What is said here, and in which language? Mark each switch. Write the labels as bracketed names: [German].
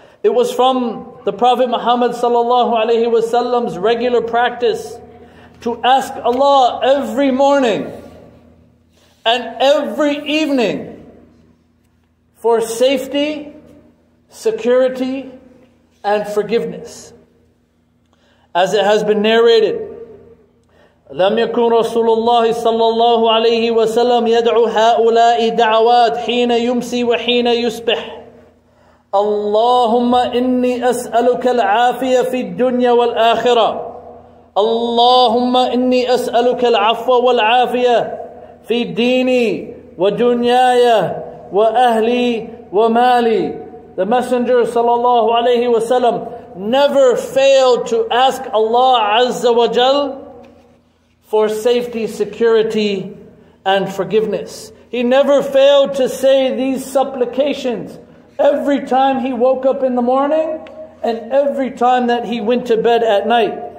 [English] It was from the Prophet Muhammad sallallahu alaihi wasallam's regular practice to ask Allah every morning and every evening for safety, security, and forgiveness. As it has been narrated, [Arabic] لم يكن رسول الله صلى الله عليه وسلم يدعو هؤلاء دعوات حين يمسي وحين يصبح. اللهم إني أسألك العافية في الدنيا والآخرة. اللهم إني أسألك العفو والعافية في ديني ودنياي وأهلي ومالي. [English] The Messenger sallallahu alayhi wa sallam never failed to ask Allah Azza wa Jal for safety, security, and forgiveness. He never failed to say these supplications every time he woke up in the morning and every time that he went to bed at night.